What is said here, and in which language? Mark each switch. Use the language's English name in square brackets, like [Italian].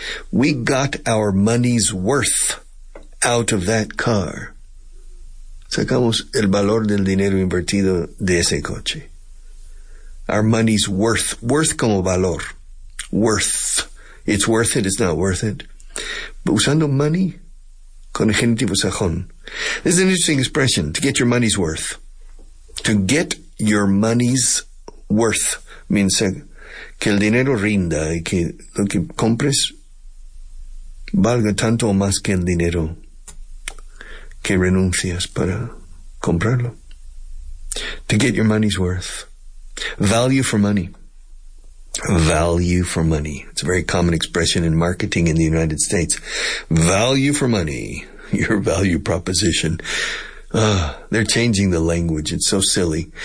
[English] We got our money's worth out of that car. [Spanish] Sacamos el valor del dinero invertido de ese coche. [English] Our money's worth. Worth [Spanish] como valor. [English] Worth. It's worth it. It's not worth it. But [Spanish] usando money, con el genitivo sajón. [English] This is an interesting expression. To get your money's worth. To get your money's worth means [Spanish] que el dinero rinda y que lo que compres valga tanto o más que el dinero que renuncias para comprarlo. [English] To get your money's worth. Value for money. Value for money. It's a very common expression in marketing in the United States. Value for money. Your value proposition. They're changing the language. It's so silly.